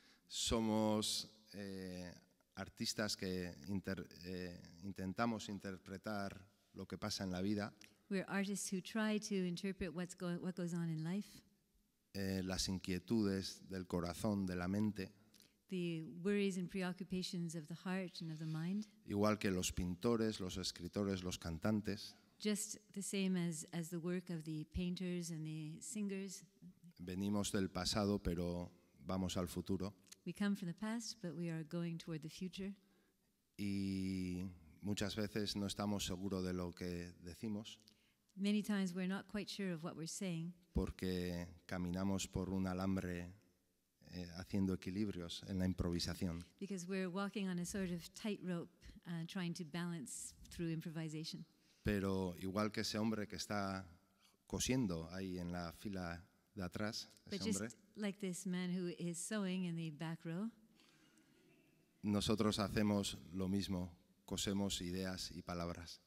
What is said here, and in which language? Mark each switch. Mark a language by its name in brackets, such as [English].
[Spanish] Somos artistas que intentamos interpretar lo que pasa en la vida. [English] We're artists who try to interpret what goes on in life. [Spanish] Las inquietudes del corazón, de la mente. [English] The worries and preoccupations of the heart and of the mind. [Spanish] Igual que los pintores, los escritores, los cantantes. [English] Just the same as the work of the painters and the singers. [Spanish] Venimos del pasado, pero vamos al futuro. [English] We come from the past, but we are going toward the future. [Spanish] Y muchas veces no estamos seguros de lo que decimos. [English] Many times we're not quite sure of what we're saying. [Spanish] Porque caminamos por un alambre haciendo equilibrios en la improvisación. [English] Because we're walking on a sort of tightrope, trying to balance through improvisation. [Spanish] Pero igual que ese hombre que está cosiendo ahí en la fila de atrás, [English] but [Spanish] ese hombre. [English] Like this man who is sewing in the back row. [Spanish] Nosotros hacemos lo mismo, cosemos ideas y palabras.